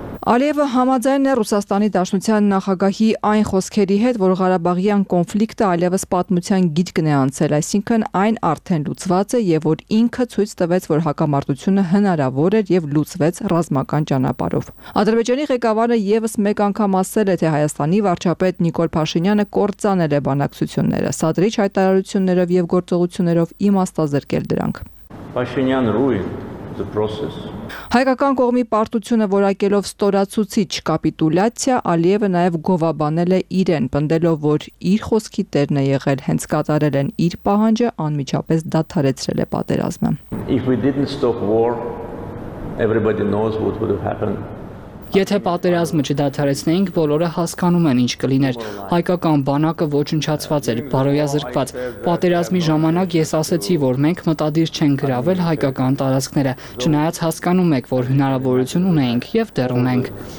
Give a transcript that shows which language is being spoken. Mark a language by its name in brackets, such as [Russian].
[Armenian] Ալիևը համաձայն է Ռուսաստանի Դաշնության նախագահի այն խոսքերի հետ, որ Ղարաբաղյան կոնֆլիկտը ալիևս պատմության գիրկն է անցել, այսինքն այն արդեն լուծված է եւ որ ինքը ցույց տվեց, որ հակամարտությունը հնարավոր էր եւ լուծվեց ռազմական ճանապարհով։ Ադրբեջանի ղեկավարը եւս մեկ անգամ ասել է, թե Հայաստանի վարչապետ Նիկոլ Փաշինյանը կործանել է բանակցությունները, Սադրիչ հայտարարություններով եւ գործողություններով իմաստազրկել դրանք։ [English] Փաշինյան ruin the process. [Armenian] Հայկական կողմի պարտությունը որակելով ստորացուցիչ կապիտուլյացիա, Ալիևը նաև գովաբանել է իրեն, պնդելով, որ իր խոսքի տերն է եղել, հենց կատարել են իր պահանջը, անմիջապես դադարեցրել է պատերազմը։ [English] If we didn't stop war, everybody knows what would have happened. [Armenian] Եթե պատերազմը չդադարեցնեինք, բոլորը հասկանում են ինչ կլիներ։ Հայկական բանակը ոչնչացված էր, բարոյազրկված։ Պատերազմի ժամանակ ես ասացի, որ մենք մտադիր չենք գրավել հայկական տարածքները, չնայած հասկանում եք, որ հնարավորություն ունենք եւ դեռ ունենք։